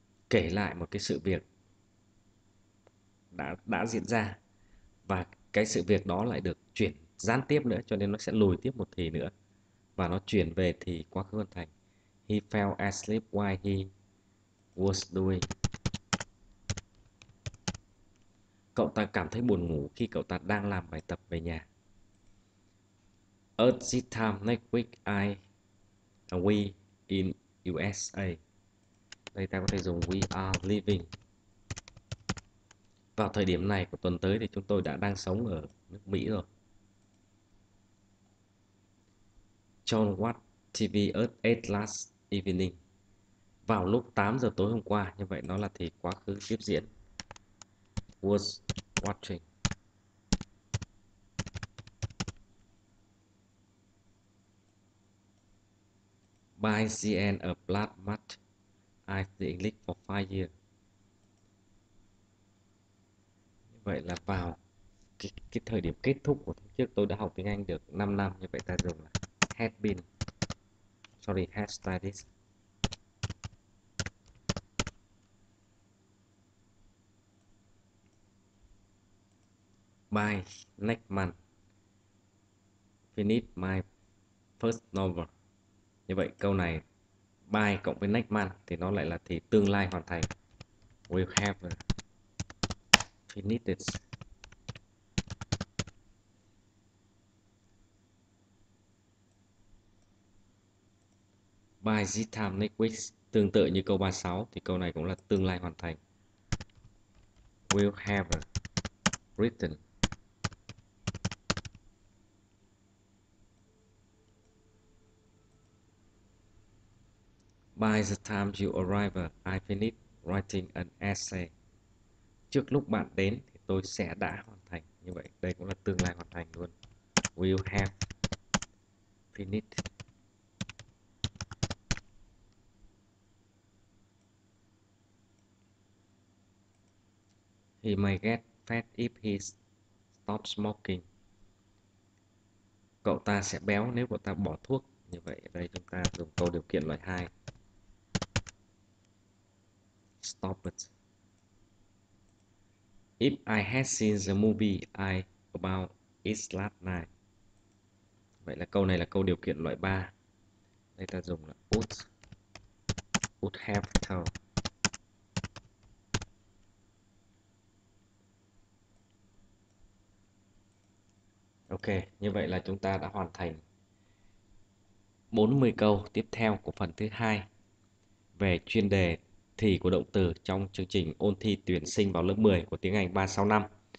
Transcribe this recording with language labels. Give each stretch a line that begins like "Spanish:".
Vietnamese: Kể lại một cái sự việc đã diễn ra và cái sự việc đó lại được chuyển gián tiếp nữa cho nên nó sẽ lùi tiếp một thì nữa và nó chuyển về thì quá khứ hoàn thành.
English: He fell asleep while he was doing.
Vietnamese: Cậu ta cảm thấy buồn ngủ khi cậu ta đang làm bài tập về nhà.
English: At this time next week we in USA.
Vietnamese: Đây ta có thể dùng we are living. Vào thời điểm này của tuần tới thì chúng tôi đã đang sống ở nước Mỹ rồi.
English: John watched TV at last evening.
Vietnamese: Vào lúc 8 giờ tối hôm qua, như vậy nó là thì quá khứ tiếp diễn.
English: Was watching. By the end of blood match, I think English for 5 years.
Vietnamese: Vậy là vào cái thời điểm kết thúc của tháng trước tôi đã học tiếng Anh được 5 năm, như vậy ta dùng là had been.
English: Sorry, had studied. By next month, finish my first novel.
Vietnamese: Như vậy câu này by cộng với next month thì nó lại là thì tương lai hoàn thành.
English: Will have finished. By this time next week,
Vietnamese: tương tự như câu 36 thì câu này cũng là tương lai hoàn thành.
English: Will have written. By the time you arrive, I finish writing an essay.
Vietnamese: Trước lúc bạn đến thì tôi sẽ đã hoàn thành. Như vậy đây cũng là tương lai hoàn thành luôn.
English: Will have finished. He may get fat if he stops smoking.
Vietnamese: Cậu ta sẽ béo nếu cậu ta bỏ thuốc. Như vậy đây chúng ta dùng câu điều kiện loại 2.
English: Stop it. If I had seen the movie I about it last night.
Vietnamese: Vậy là câu này là câu điều kiện loại 3. Đây ta dùng là would have told. Ok, như vậy là chúng ta đã hoàn thành 40 câu tiếp theo của phần thứ hai về chuyên đề thì của động từ trong chương trình ôn thi tuyển sinh vào lớp 10 của tiếng Anh 365.